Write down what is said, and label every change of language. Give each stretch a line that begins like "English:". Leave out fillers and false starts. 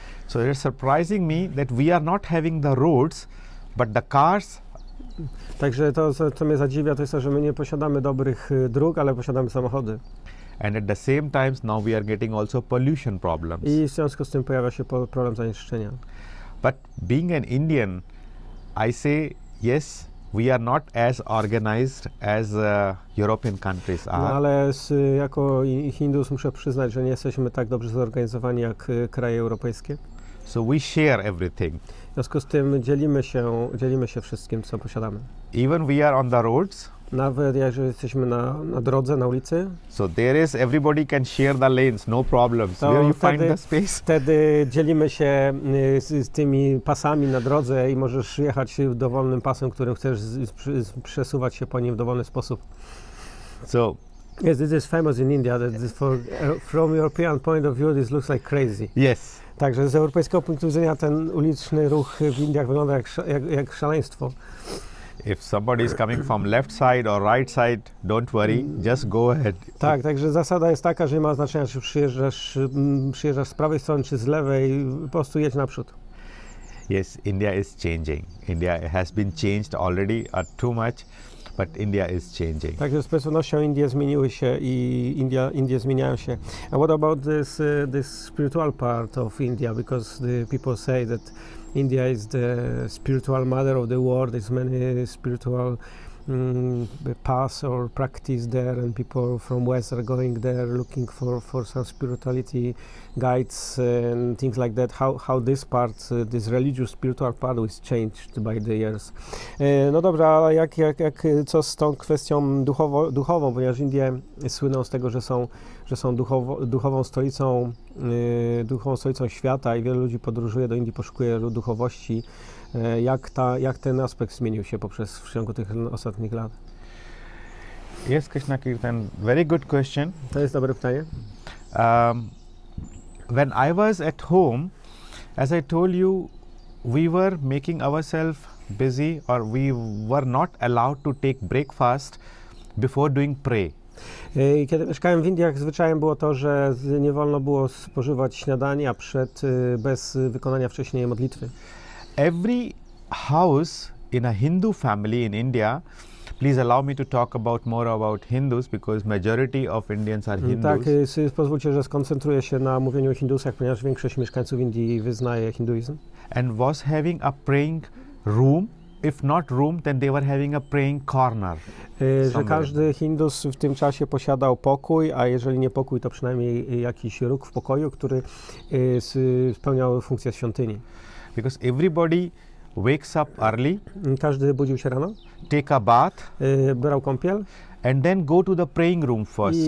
English: So it's surprising me that we are not having the roads, but the cars.
Polish: Także to, co mnie zadziwia, to jest to, że my nie posiadamy dobrych dróg, ale posiadamy samochody.
English: And at the same time, now we are getting also pollution problems.
Polish: I w związku z tym pojawia się problem zanieczyszczenia.
English: But being an Indian, I say, yes, we are not as organized as European countries are.
Polish: No, ale jako Hindus muszę przyznać, że nie jesteśmy tak dobrze zorganizowani jak kraje europejskie.
English: So we share everything.
Polish: W związku z tym dzielimy się wszystkim, co posiadamy.
English: Even we are on the roads.
Polish: Nawet jeżeli jesteśmy na drodze, na ulicy.
English: So there is, everybody can share the lanes, no problems. Where you find the space?
Polish: Wtedy dzielimy się z tymi pasami na drodze i możesz jechać dowolnym pasem, którym chcesz przesuwać się po nim w dowolny sposób.
English: So. Yes, this is famous in India. From European point of view, this looks like crazy. Yes.
Polish: Także z europejskiego punktu widzenia ten uliczny ruch w Indiach wygląda jak szaleństwo.
English: If somebody is coming from left side or right side, don't worry, just go ahead.
Polish: Tak, także zasada jest taka, że nie ma znaczenia, czy przyjeżdżasz z prawej strony, czy z lewej, po prostu jedź naprzód.
English: Yes, India is changing. India has been changed already, or too much, but India is changing.
Polish: Także z pewnością Indie zmieniły się i Indie zmieniają się.
English: And what about this spiritual part of India? Because the people say that India is the spiritual mother of the world. There's many spiritual paths or practice there, and people from West are going there looking for some spirituality guides and things like that. How this part, this religious spiritual part, was changed by the years?
Polish: No dobra, ale jak co z tą kwestią duchową, ponieważ Indie słyną z tego, że są duchową stolicą świata i wielu ludzi podróżuje do Indii, poszukuje duchowości, Jak ten aspekt zmienił się poprzez w ciągu tych ostatnich lat?
English: Jest Krishna Kirtan. Very good question.
Polish: To jest dobre pytanie.
English: When I was at home, as I told you, we were making ourselves busy, or we were not allowed to take breakfast before doing pray.
Polish: Kiedy mieszkałem w Indiach, zwyczajem było to, że nie wolno było spożywać śniadania przed, bez wykonania wcześniej modlitwy.
English: Every house in a Hindu family in India, please allow me to talk about more about Hindus, because majority of Indians are Hindus.
Polish: Tak, pozwólcie, że skoncentruję się na mówieniu o Hindusach, ponieważ większość mieszkańców Indii wyznaje hinduizm.
English: And was having a praying room. If not room, then they were having a praying corner.
Polish: Że każdy Hindus w tym czasie posiadał pokój, a jeżeli nie pokój, to przynajmniej jakiś róg w pokoju, który spełniał funkcję świątyni.
English: Because everybody wakes up early.
Polish: Każdy budził się rano.
English: Take a bath.
Polish: Brał kąpiel.
English: And then go to the praying room first.